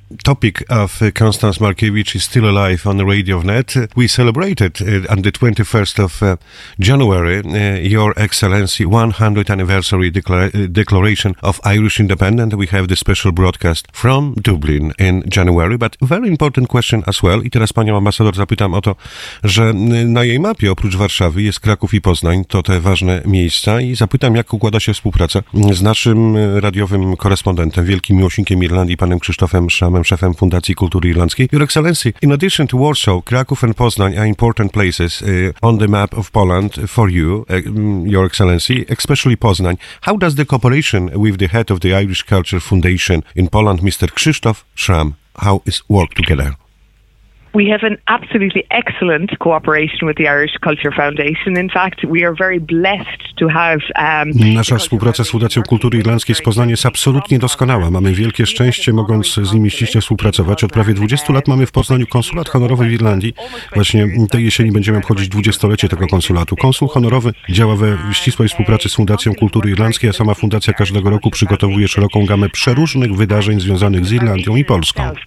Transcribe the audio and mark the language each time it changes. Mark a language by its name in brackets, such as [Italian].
[English] Topic of Constance Markiewicz is still alive on the RadioNet. We celebrated on the 21st of January, Your Excellency, 100th anniversary declaration of Irish independence. We have the special broadcast from Dublin in January. But very important question as well. [Polish] I teraz panią ambasador zapytam o to, że na jej mapie oprócz Warszawy jest Kraków i Poznań. To te ważne miejsca. I zapytam, jak układa się współpraca z naszym radiowym korespondentem, wielkim miłośnikiem Irlandii, panem Krzysztofem Szamem, szefem Fundacji Kultury Irlandzkiej. [English] Your Excellency, in addition to Warsaw, Kraków and Poznań are important places on the map of Poland for you, Your Excellency, especially Poznań. How does the cooperation with the head of the Irish Culture Foundation in Poland, Mr. Krzysztof Szram, how is work together? We have an absolutely excellent cooperation with the Irish Culture Foundation. In fact, we are very blessed to have. [Polish] Nasza współpraca z Fundacją Kultury Irlandzkiej z Poznań jest absolutnie doskonała. Mamy wielkie szczęście, mogąc z nimi ściśle współpracować. Od prawie 20 lat mamy w Poznaniu konsulat honorowy w Irlandii. Właśnie tej jesieni będziemy obchodzić 20-lecie tego konsulatu. Konsul honorowy działa we ścisłej współpracy z Fundacją Kultury Irlandzkiej, a sama fundacja każdego roku przygotowuje szeroką gamę przeróżnych wydarzeń związanych z Irlandią i Polską.